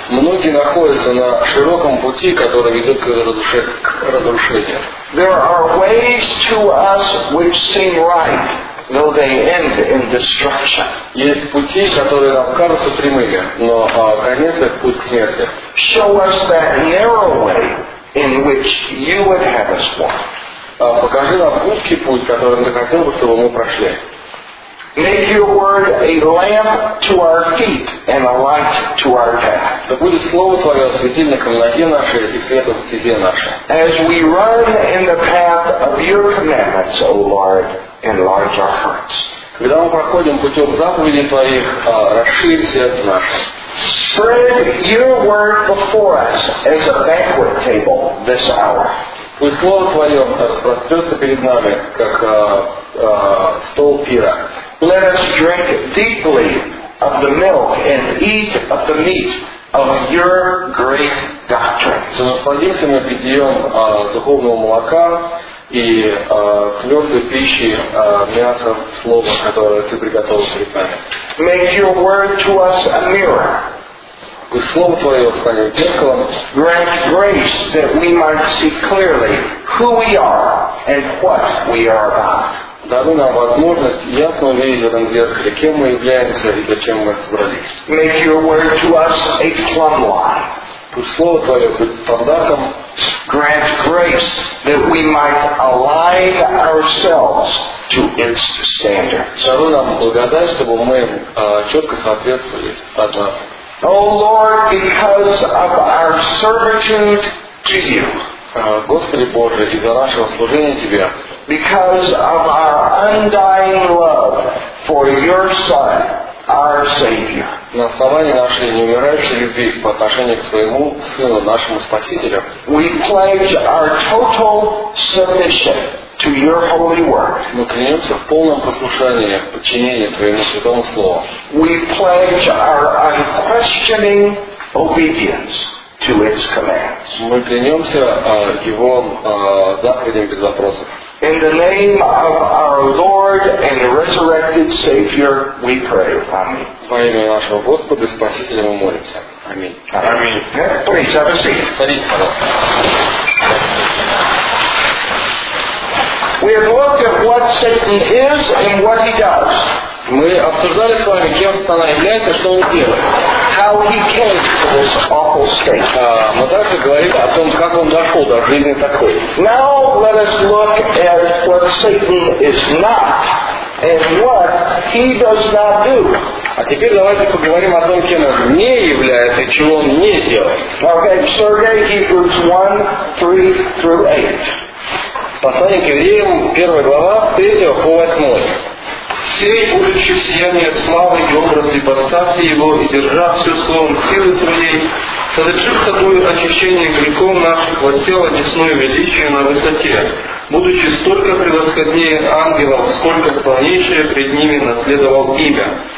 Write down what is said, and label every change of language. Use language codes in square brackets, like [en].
[ru] Многие находятся на широком пути, который ведет к разрушению. [en] There are ways to us which seem right, though they end in destruction. [ru] Есть пути, которые нам кажутся прямыми, но конец их путь к смерти. [en] Show us that narrow way in which you would have us walk. [ru] Покажи нам узкий путь, которым ты хотел бы, чтобы мы прошли. [en] Make your word a lamp to our feet and a light to our path. [ru] Да будет слово твое светильником на ноге нашей и светом в стезе нашей. [en] As we run in the path of your commandments, O Lord, enlarge our hearts. [ru] Когда мы проходим путем заповедей твоих, расширь сердце наше. [en] Spread your word before us as a banquet table this hour. [ru] Пусть слово твое распрострется перед нами, как стол пира. [en] Let us drink deeply of the milk and eat of the meat of your great doctrines. [ru] Насладимся мы питьем духовного молока и твердой пищи, мясом слова, которое ты приготовил перед нами. [en] Make your word to us a mirror. [ru] Пусть слово твое станет зеркалом. [en] Grant grace that we might see clearly who we are and what we are about. [ru] дали нам возможность ясно увидеть в этом зеркале, кем мы являемся и зачем мы собрались. [en] Make your word to us a plumb line. [ru] Пусть Слово Твое будет стандартом. [en] Grant grace that we might align ourselves to its standards. [ru] Дали нам благодать, чтобы мы четко соответствовали стандартам. [en] O Lord, because of our servitude to you, [ru] Господи Боже, из-за нашего служения Тебе, [en] because of our undying love for your Son, our Savior, [ru] на основании нашей неумирающей любви по отношению к Твоему Сыну, нашему Спасителю, [en] we pledge our total submission to your holy word. [ru] Мы клянемся в полном послушании, подчинении Твоему Святому Слову. [en] We pledge our unquestioning obedience to its commands. [ru] Мы клянемся Его заповедям без вопросов. [en] In the name of our Lord and resurrected Savior, we pray. Amen. [ru] Во имя нашего Господа и Спасителя мы молимся. Аминь. [en] Аминь. Please have a seat. [ru] Садитесь, пожалуйста. [en] We have looked at what Satan is and what he does. [ru] Мы обсуждали с вами, кем сатана является, что он делает. [en] How he came to this awful state. [ru] Мы также говорили о том, как он дошел до жизни такой. [en] Now let us look at what Satan is not and what he does not do. [ru] А теперь давайте поговорим о том, кем он не является и чего он не делает. [en] Okay, Sergei, Hebrews 1, 3 through 8. [ru] Послание к Евреям, 1 глава, с 3 по 8. «Сей, будучи в сиянии славы и образ ипостаси Его, и держа все слово силы своей, совершив собой очищение грехов наших, воссел одесную величие на высоте, будучи столько превосходнее ангелов, сколько склоннейшее пред ними наследовал имя.